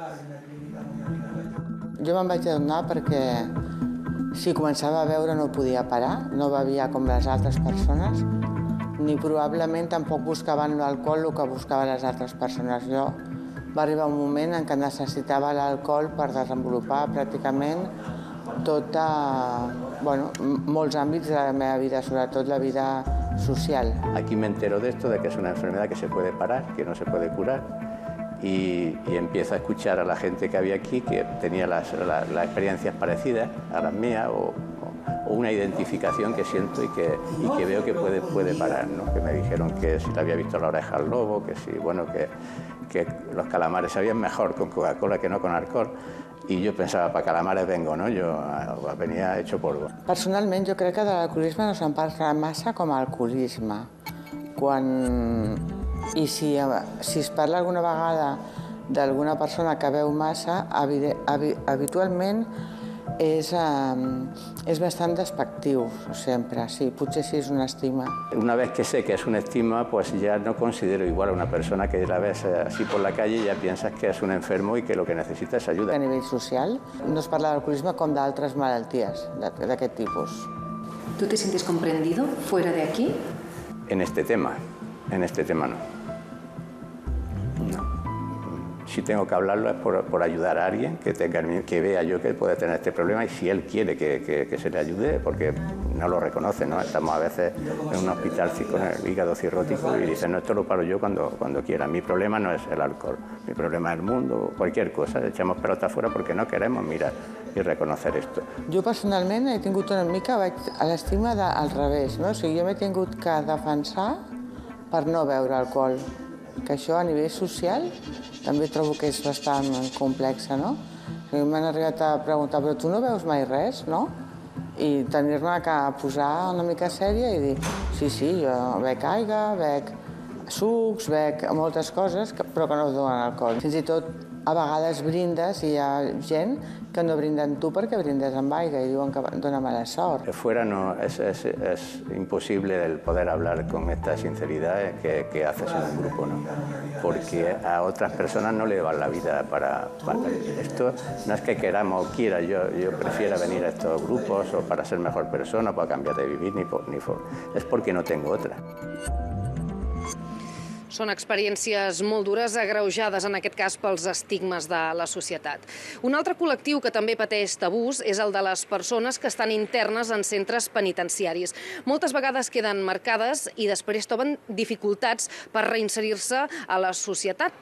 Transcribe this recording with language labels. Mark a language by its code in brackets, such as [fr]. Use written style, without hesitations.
[ca] Jo me'n vaig adonar perquè si començava a beure no podia parar, no bevia com les altres persones, ni probablement tampoc buscaven l'alcohol el que buscaven les altres persones. Jo va arribar un moment en què necessitava l'alcohol per desenvolupar pràcticament tot, molts àmbits de la meva vida, sobretot la vida social. [es] Aquí me entero de esto, de que es una enfermedad que se puede parar, que no se puede curar, y empiezo a escuchar a la gente que había aquí que tenía las experiencias parecidas a las mías o una identificación que siento y que veo que puede parar, ¿no? Que me dijeron que si le había visto la oreja al lobo, que si, bueno, que los calamares sabían mejor con Coca-Cola que no con alcohol. Y yo pensaba, para calamares vengo, ¿no? Yo venía hecho polvo. [ca] Personalmente, [es] yo creo que [ca] de l'alcoholisme no se'n parla massa com a alcoholisme. Quan... I si es parla alguna vegada d'alguna persona que beu massa, habitualment és bastant despectiu, sempre. Sí, potser sí, és un estigma. [es] Una vez que sé que es un estigma, pues ya no considero igual a una persona que la ves así por la calle y ya piensas que es un enfermo y que lo que necesita es ayuda. [ca] A nivell social no es parla d'alcoholisme com d'altres malalties d'aquest tipus. [es] ¿Tú te sientes comprendido fuera de aquí? En este tema no. si tengo que hablarlo es por ayudar a alguien que tenga, que vea yo que puede tener este problema, y si él quiere que se le ayude, porque no lo reconoce, ¿no? Estamos a veces en un hospital con el hígado cirrótico y dice, no, esto lo paro yo cuando quiera. Mi problema no es el alcohol, mi problema es el mundo, cualquier cosa. Echamos pelota fuera porque no queremos mirar y reconocer esto. [ca] Jo personalment he tingut una mica, vaig a l'estima al revés, no? O sigui, jo m'he tingut que defensar per no beure alcohol, que això a nivell social també trobo que és bastant complex, no? O sigui, m'han arribat a preguntar, però tu no veus mai res, no? I tenir-me que posar una mica sèria i dir, sí, sí, jo bec aigua, bec sucs, bec moltes coses, però que no donen alcohol. Fins i tot a vegades brindes i hi ha gent que no brinden tu perquè brindes amb aigua i diuen que dona mala sort. [es] Fuera no, es imposible el poder hablar con esta sinceridad que haces en un grupo, ¿no? Porque a otras personas no le va la vida para esto. No es que queramos o quiera, yo prefiero venir a estos grupos o para ser mejor persona, para cambiar de vivir, es porque no tengo otra. [ca] Són experiències molt dures, agreujades en aquest cas pels estigmes de la societat. Un altre col·lectiu que també pateix tabús és el de les persones que estan internes en centres penitenciaris. Moltes vegades queden marcades i després troben dificultats per reinserir-se a la societat.